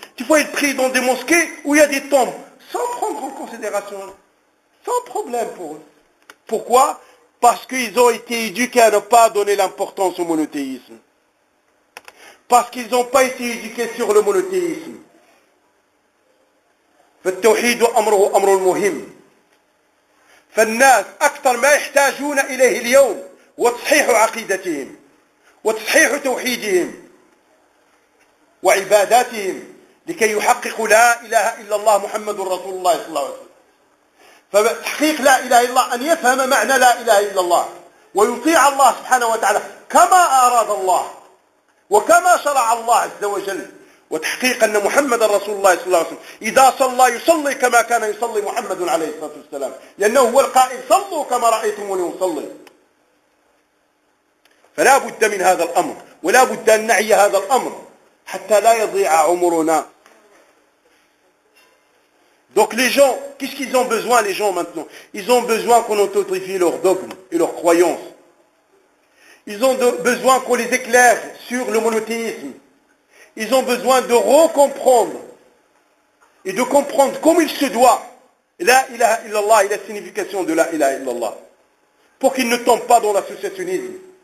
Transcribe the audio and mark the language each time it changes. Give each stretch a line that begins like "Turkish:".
French: Tu vois, ils prient dans des mosquées où il y a des tombes, sans prendre en considération, sans problème pour eux. Pourquoi ? Parce qu'ils ont été éduqués à ne pas donner l'importance au monothéisme. Parce qu'ils n'ont pas été éduqués sur le monothéisme.
Arabic: فالتوحيد أمره أمر مهم. فالناس أكثر ما يحتاجون إليه اليوم وتصحيح عقيدتهم وتصحيح توحيدهم وعباداتهم لكي يحققوا لا إله إلا الله محمد رسول الله صلى الله عليه وسلم. فتحقيق لا إله إلا الله أن يفهم معنى لا إله إلا الله ويطيع الله سبحانه وتعالى كما أراد الله وكما شرع الله عز وجل. وتحقيق أن محمد رسول الله صلى الله عليه وسلم إذا صلى يصلي كما كان يصلي محمد عليه الصلاة والسلام لأنه هو القائل صلوا كما رأيتموني أصلي. فلا بد من هذا الأمر ولا بد أن نعي هذا الأمر حتى لا يضيع عمرنا.
French: Donc les gens, qu'est-ce qu'ils ont besoin les gens maintenant? Ils ont besoin qu'on authentifie leurs dogmes et leurs croyances. Ils ont besoin qu'on les éclaire sur le monothéisme. Ils ont besoin de recomprendre et de comprendre comme il se doit la ilaha illallah et la signification de la ilaha illallah pour qu'ils ne tombent pas dans l'associationnisme.